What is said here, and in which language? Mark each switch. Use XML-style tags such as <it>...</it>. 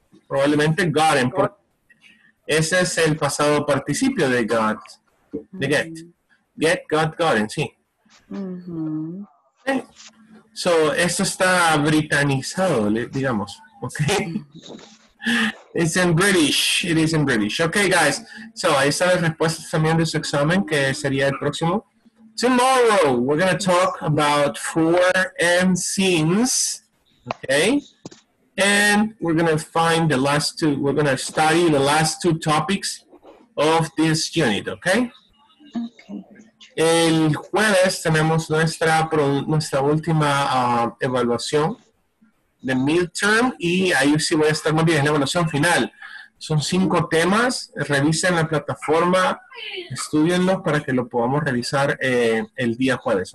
<es>Probablemente gotten, porque ese es el pasado participio de got. De get. Get, got, gotten, sí. Okay. So, esto está britanizado, digamos. Okay.</es> <en>It's in British. It is in British. Okay, guys.</en> <es>So, ahí están las respuestas también de su examen, que sería el próximo.</es> <en>Tomorrow, we're going to talk about for and since. Okay. And we're going to find the last two. We're going to study the last two topics of this unit. Okay. Okay.</en> <es>El jueves tenemos nuestra última evaluación de midterm. Y ahí sí voy a estar más bien en la evaluación final. Son cinco temas. Revisen la plataforma. Estudienlos para que lo podamos revisar el día jueves.</es>